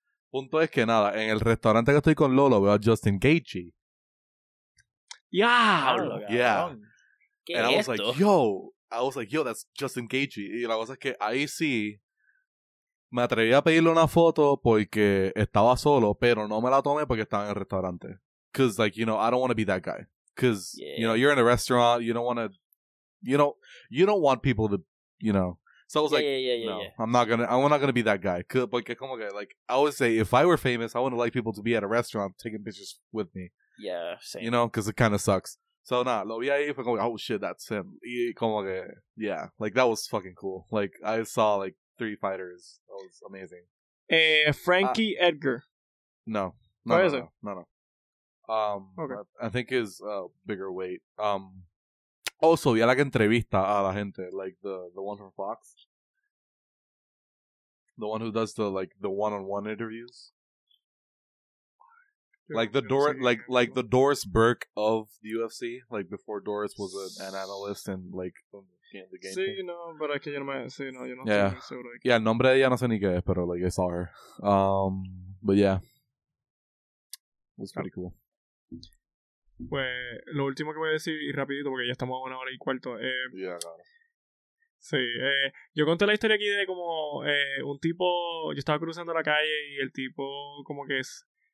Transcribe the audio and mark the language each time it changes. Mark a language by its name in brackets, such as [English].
[Spanish] Punto es que nada, en el restaurante que estoy con Lolo veo a Justin Gaethje. [English] Yeah. And I was like, yo. I was like, yo, that's Justin Gaethje. [Spanish] Y la cosa es que ahí sí... Me atreví a pedirle una foto porque estaba solo, pero no me la tomé porque estaba en el restaurante. [English] Because, like, you know, I don't want to be that guy. Because, you know, you're in a restaurant, you don't want to, you don't want people to, you know. So I was I'm not going to be that guy. [Spanish] Porque como que, [English] like, I would say if I were famous, I wouldn't like people to be at a restaurant taking pictures with me. Yeah, same. You know, because it kind of sucks. So, nah, [Spanish] lo vi ahí, fue como, [English] oh, shit, that's him. [Spanish] Y como que, [English] yeah, like, that was fucking cool. Like, I saw, like, three fighters. That was amazing. Frankie Edgar. No. No, where is it? No. Okay. I think is a bigger weight. [Spanish] Also, ya la que entrevista a la gente, [English] like, the one from Fox. The one who does the, like, the one-on-one interviews. Like the door, like the Doris Burke of the UFC, like before Doris was an analyst and like the game. See, you know, but I can't imagine. See, no, you know. Yeah. Yeah. [Spanish] Nombre ya no sé ni qué, pero [English] like I saw her. But yeah, it was pretty cool. [Spanish] Pues lo último que voy a decir y rapidito porque ya estamos a una hora y cuarto. [English] Yeah. [Spanish] Claro. Sí, yo conté la historia aquí de como un tipo, yo estaba cruzando la calle y el tipo como que es.